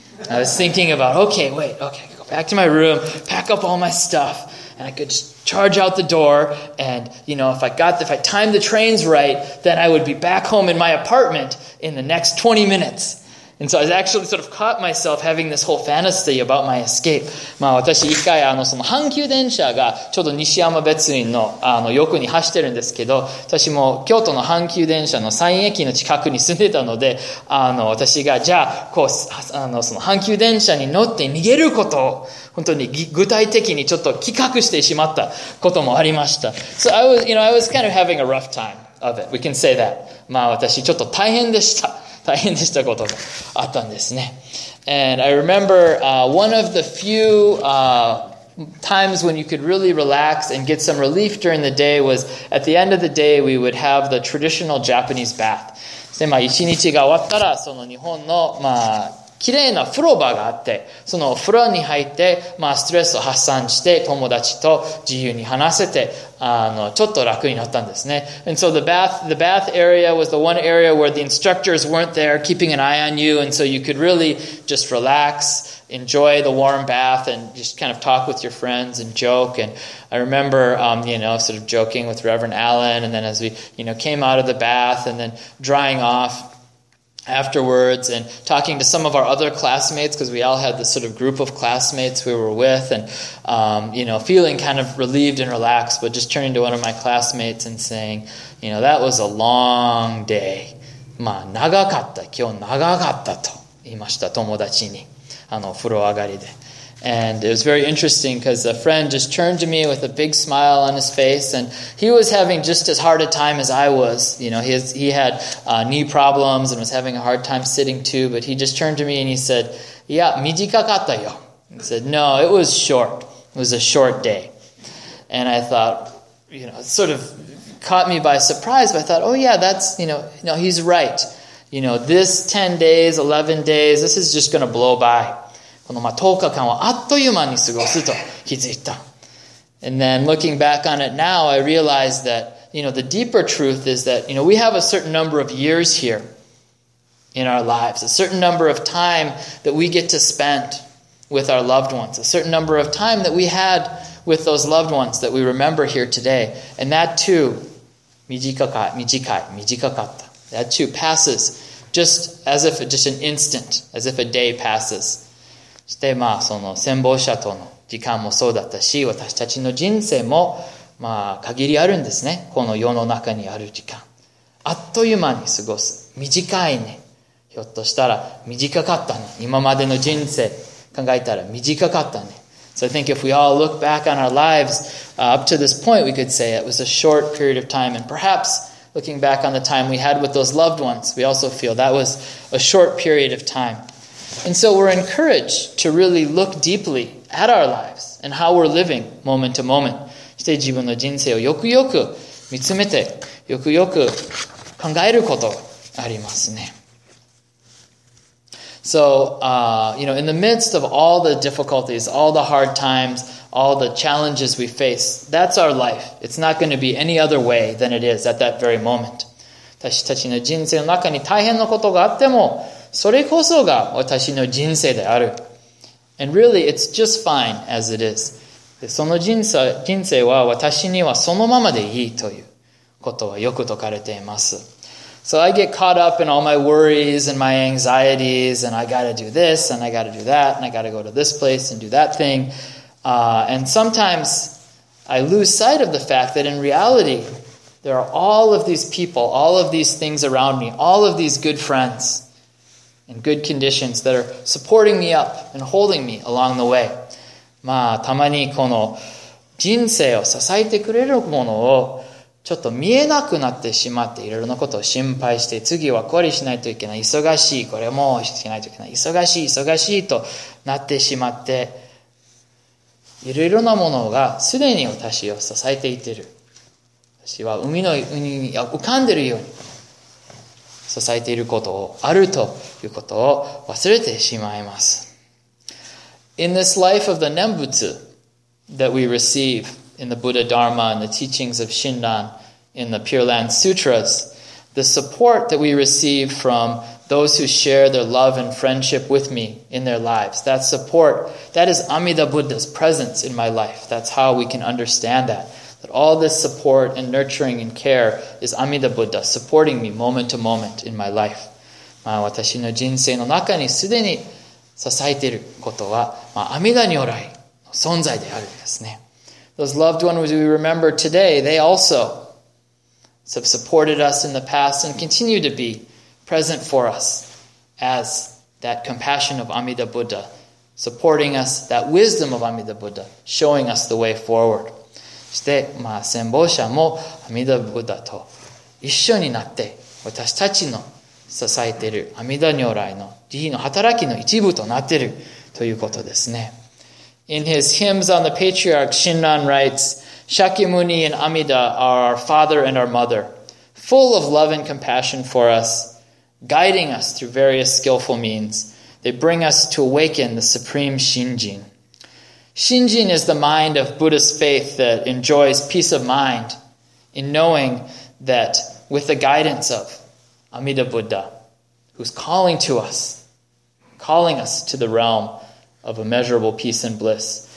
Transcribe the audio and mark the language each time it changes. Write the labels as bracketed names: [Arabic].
[English] I was thinking about, okay, wait, okay, I could go back to my room, pack up all my stuff, and I could just charge out the door. And, you know, if I timed the trains right, then I would be back home in my apartment in the next 20 minutes. And so I actually sort of caught myself having this whole fantasy about my escape. [Japanese] まあ私一回あのその阪急電車がちょうど西山別院のあの横に走ってるんですけど、私も京都の阪急電車の山陰駅の近くに住んでたので、あの私がじゃあこうあのその阪急電車に乗って逃げることを本当に具体的にちょっと企画してしまったこともありました。 [English] So I was, you know, I was kind of having a rough time of it. We can say that. [Japanese] まあ私ちょっと大変でした。大変でしたことがあったんですね。 [English] And I remember, one of the few, times when you could really relax and get some relief during the day was at the end of the day we would have the traditional Japanese bath. [Japanese] で、まあ一日が終わったらその日本の、まあ綺麗な風呂場があって、その風呂に入って、まあストレスを発散して友達と自由に話せて、あの、ちょっと楽になったんですね。 [English] And so the bath area was the one area where the instructors weren't there keeping an eye on you, and so you could really just relax, enjoy the warm bath, and just kind of talk with your friends and joke. And I remember, you know, sort of joking with Reverend Allen, and then as we, you know, came out of the bath and then drying off,afterwards and talking to some of our other classmates because we all had this sort of group of classmates we were with and, you know, feeling kind of relieved and relaxed, but just turning to one of my classmates and saying, you know, that was a long day. [Japanese] まあ長かった、今日長かったと言いました、友達に、あの風呂上がりで。 [English] And it was very interesting because a friend just turned to me with a big smile on his face and he was having just as hard a time as I was. You know, he had knee problems and was having a hard time sitting too, but he just turned to me and he said, Yeah, [Japanese] 短かったよ. [English] He said, No, it was short. It was a short day. And I thought, you know, it sort of caught me by surprise, but I thought, oh yeah, that's, you know, he's right. You know, this 10 days, 11 days, this is just going to blow by. [Japanese] このまあ10日間はあっという間に過ごすと気づいた。 [English] And then looking back on it now, I realized that, you know, the deeper truth is that, you know, we have a certain number of years here in our lives, a certain number of time that we get to spend with our loved ones, a certain number of time that we had with those loved ones that we remember here today. And that too, [Japanese] 短かった。 [English] That too passes just as if just an instant, as if a day passes. [Japanese] そしてまあその先亡者との時間もそうだったし、私たちの人生もまあ限りあるんですね。この世の中にある時間、あっという間に過ごす、短いね。ひょっとしたら短かったね。今までの人生考えたら短かったね。 [English] So I think if we all look back on our lives, up to this point, we could say it was a short period of time, and perhaps looking back on the time we had with those loved ones, we also feel that was a short period of time. And so we're encouraged to really look deeply at our lives and how we're living moment to moment. [Japanese] して自分の人生をよくよく見つめて、よくよく考えることありますね。 [English] So, you know, in the midst of all the difficulties, all the hard times, all the challenges we face, that's our life. It's not going to be any other way than it is at that very moment. [Japanese] 私たちの人生の中に大変なことがあっても、それこそが私の人生である。 [English] And really, it's just fine as it is. [Japanese] その人生は私にはそのままでいいということはよく説かれています。 [English] So I get caught up in all my worries and my anxieties and I gotta do this and I gotta do that and I gotta go to this place and do that thing. And sometimes I lose sight of the fact that in reality, there are all of these people, all of these things around me, all of these good friends. In good conditions that are supporting me up and holding me along the way. [Japanese] まあ、たまにこの人生を支えてくれるものをちょっと見えなくなってしまって、いろいろなことを心配して、次はこれしないといけない、忙しい、これもしないといけない、忙しいとなってしまって、いろいろなものがすでに私を支えていている。私は海に浮かんでいるように。支えていることをあるということを忘れてしまいます。 [English] In this life of the Nembutsu that we receive in the Buddha Dharma and the teachings of Shinran in the Pure Land Sutras, the support that we receive from those who share their love and friendship with me in their lives, that support, that is Amida Buddha's presence in my life. That's how we can understand that. That all this support and nurturing and care is Amida Buddha supporting me moment to moment in my life. [Japanese] まあ、私の人生の中にすでに支えていることは、まあ、阿弥陀如来の存在であるんですね。 [English] Those loved ones we remember today, they also have supported us in the past and continue to be present for us as that compassion of Amida Buddha, supporting us, that wisdom of Amida Buddha, showing us the way forward. [Japanese] そして、まあ、先方者も阿弥陀ブッダと一緒になって、私たちの支えている阿弥陀如来の慈悲の働きの一部となっているということですね。 [English] In his hymns on the patriarch, Shinran writes, Shakyamuni and Amida are our father and our mother, full of love and compassion for us, guiding us through various skillful means. They bring us to awaken the supreme Shinjin. Shinjin is the mind of Buddhist faith that enjoys peace of mind in knowing that with the guidance of Amida Buddha, who's calling to us, calling us to the realm of immeasurable peace and bliss.